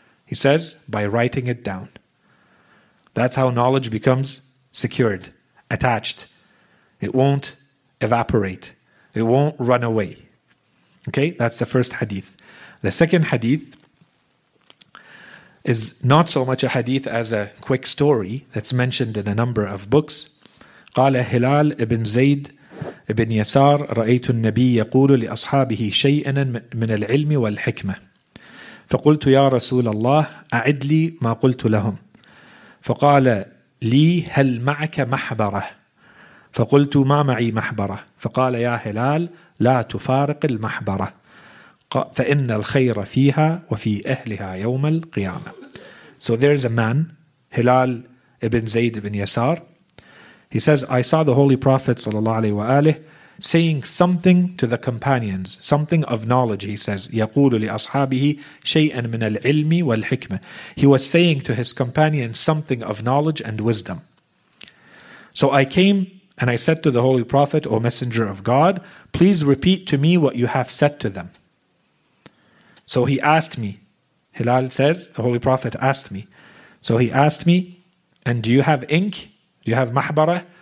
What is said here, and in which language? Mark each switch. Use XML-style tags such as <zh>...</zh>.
<en>He says, by writing it down. That's how knowledge becomes secured, attached. It won't evaporate. It won't run away. Okay, that's the first hadith. The second hadith is not so much a hadith as a quick story that's mentioned in a number of books.</en> <ar>قَالَ هِلَالْ إِبْنْ زَيْدْ إِبْنْ يَسَارْ رَأَيْتُ النَّبِيَّ يَقُولُ لِأَصْحَابِهِ شَيْئًا مِنَ الْعِلْمِ وَالْحِكْمَةِ فَقُلْتُ يَا رَسُولَ اللَّهِ أَعِدْ لِي مَا قُلْتُ لَهُمْ فَقَالَ لِي هَلْ مَعَكَ مَحْبَرَةً فقلت ما معي محبرة فقال يا هلال لا تفارق المحبرة فإن الخير فيها وفي أهلها يوم القيامة.</ar> <en>So there is a man, Hilal ibn Zayd ibn Yasar. He says, I saw the Holy Prophet sallallahu alaihi wa alihi saying something to the companions, something of knowledge. He says,</en> <ar>يقول لأصحابه شيئا من العلم والحكمة.</ar> <en>He was saying to his companions something of knowledge and wisdom. So I came and I said to the Holy Prophet, O Messenger of God, please repeat to me what you have said to them. So he asked me, Hilal says, the Holy Prophet asked me. So he asked me, and do you have ink? Do you have mahbara?</en>